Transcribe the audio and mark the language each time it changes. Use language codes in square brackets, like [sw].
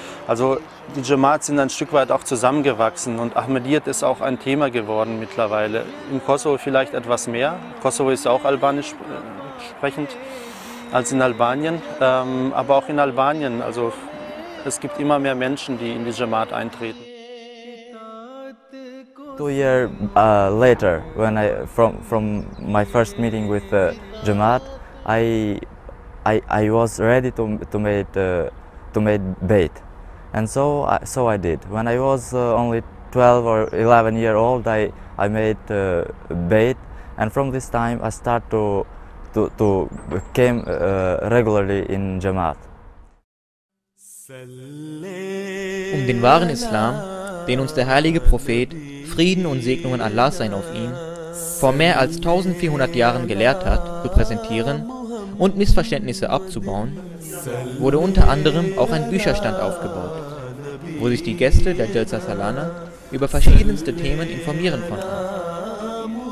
[de] Also die Jamaat sind ein Stück weit auch zusammengewachsen. Und Ahmadiyyat ist auch ein Thema geworden mittlerweile. Im Kosovo vielleicht etwas mehr. Kosovo ist ja auch albanisch sprechend als in Albanien. Aber auch in Albanien, also es gibt immer mehr Menschen, die in die Jamaat eintreten. [en] 2 years later, when I from my first meeting with the Jamaat, I was ready to make bait, and so I did. When I was only 12 or 11 years old, I made bait, and from this time I start to came regularly in Jamaat. [de] Um den wahren Islam, den uns der heilige Prophet, Frieden und Segnungen Allahs seien auf ihn, vor mehr als 1400 Jahren gelehrt hat, zu präsentieren und Missverständnisse abzubauen, wurde unter anderem auch ein Bücherstand aufgebaut, wo sich die Gäste der Jalsa Salana über verschiedenste Themen informieren konnten.